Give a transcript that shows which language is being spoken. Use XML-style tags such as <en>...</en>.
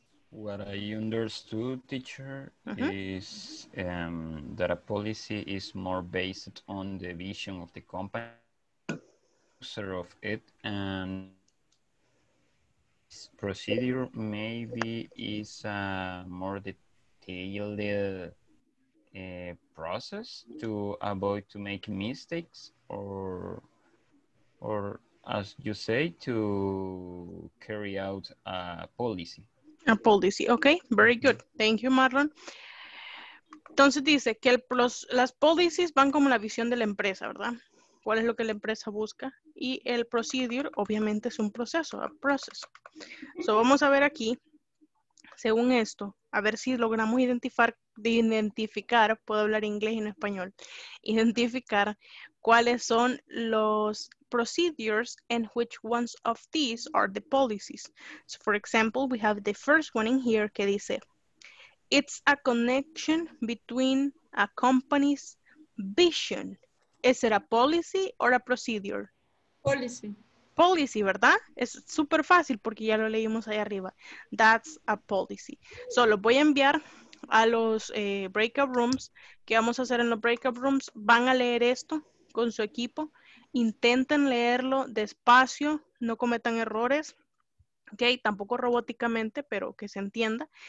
<en>What I understood, teacher, is that a policy is more based on the vision of the company, user of it, and procedure maybe is a more detailed process to avoid to make mistakes or as you say, to carry out a policy. A policy, ok, very good, thank you Marlon.</en> <es>Entonces dice que las policies van como la visión de la empresa, ¿verdad? ¿Cuál es lo que la empresa busca? Y el procedure obviamente es un proceso,</es> <en>a process.</en> <es>So vamos a ver aquí, según esto, a ver si logramos identificar, puedo hablar inglés y en español, identificar cuáles son los procedures</es> <en>and which ones of these are the policies. So for example, we have the first one in here</en> <es>que dice,</es> <en>it's a connection between a company's vision. Is it a policy or a procedure? Policy.</en> <es>Policy, ¿verdad? Es súper fácil porque ya lo leímos ahí arriba.</es> <en>That's a policy.</en> <es>So lo voy a enviar a los breakout rooms. ¿Qué vamos a hacer en los breakout rooms? Van a leer esto con su equipo. Intenten leerlo despacio, no cometan errores, ok, tampoco robóticamente, pero que se entienda.</es>